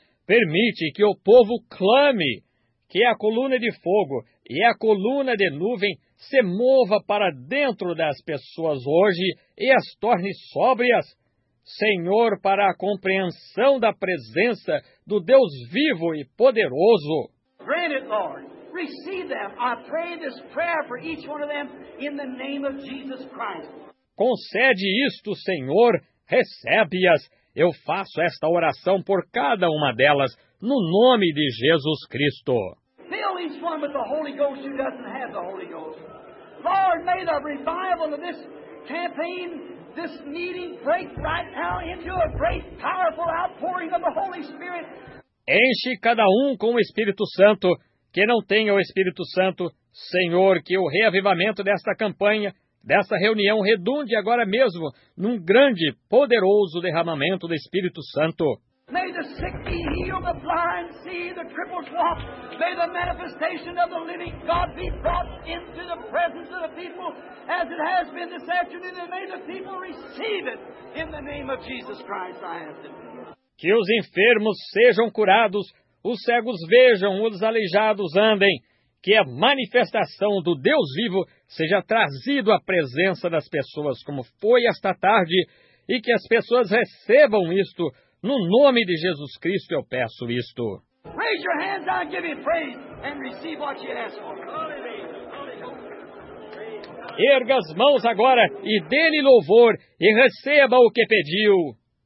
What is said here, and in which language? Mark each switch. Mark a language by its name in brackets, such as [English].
[Portuguese] Permite que o povo clame, que a coluna de fogo e a coluna de nuvem se mova para dentro das pessoas hoje e as torne sóbrias. Senhor, para a compreensão da presença do Deus vivo e poderoso. [English] Grant it, Lord. Receive them. I pray this prayer for each one of them in the name of Jesus Christ. [Portuguese] Concede isto, Senhor, recebe-as. Eu faço esta oração por cada uma delas, no nome de Jesus Cristo. [English] Fill each one with the Holy Ghost who doesn't have the Holy Ghost. Lord, may the revival of this campaign, this meeting, break right now into a great, powerful outpouring of the Holy Spirit. [Portuguese] Enche cada um com o Espírito Santo. Que não tenha o Espírito Santo, Senhor, que o reavivamento desta campanha, dessa reunião redunde agora mesmo num grande, poderoso derramamento do Espírito Santo. [English] May the sick be healed, the blind see, the crippled walk. May the manifestation of the living God be brought into the presence of the people as it has been this afternoon. And may the people receive it in the name of Jesus Christ, I ask it. [Portuguese] Que os enfermos sejam curados, os cegos vejam, os aleijados andem. Que a manifestação do Deus vivo seja trazido à presença das pessoas, como foi esta tarde, e que as pessoas recebam isto. No nome de Jesus Cristo eu peço isto. [English] Raise your hands and give me praise and receive what you ask for. [Portuguese] Erga as mãos agora e dê-lhe louvor e receba o que pediu.